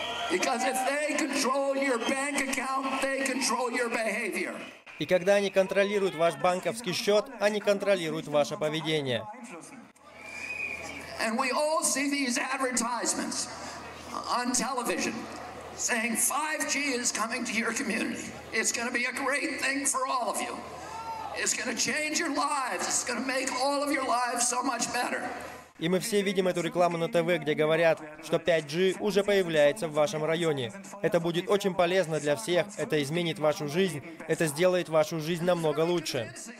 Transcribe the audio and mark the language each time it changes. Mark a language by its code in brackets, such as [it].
[en] Because if they control your bank account, they control your behavior. [ru] И когда они контролируют ваш банковский счет, они контролируют ваше поведение. [en] And we all see these advertisements on television saying 5G is coming to your community. It's going to be a great thing for all of you. It's going to change your lives. It's going to make all of your lives so much better. [ru] И мы все видим эту рекламу на ТВ, где говорят, что 5G уже появляется в вашем районе. Это будет очень полезно для всех. Это изменит вашу жизнь. Это сделает вашу жизнь намного лучше.